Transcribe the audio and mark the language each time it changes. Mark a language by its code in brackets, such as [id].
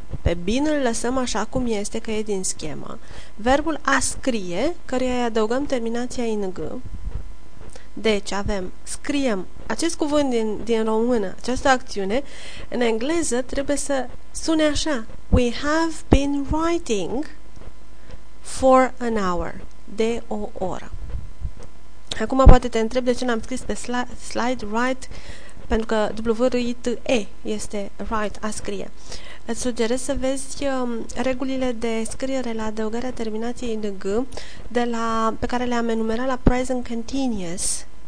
[ro] Pe been îl lăsăm așa cum este, că e din schemă. Verbul a scrie, căruia îi adăugăm terminația ing. Deci avem, scriem. Acest cuvânt din română, această acțiune, în engleză trebuie să sune așa. [en] We have been writing for an hour. [ro] De o oră. Acum poate te întreb de ce n-am scris pe slide write, pentru că W-R-I-T-E este write, a scrie. Îți sugerez să vezi regulile de scriere la adăugarea terminației ing pe care le-am enumerat la Present Continuous.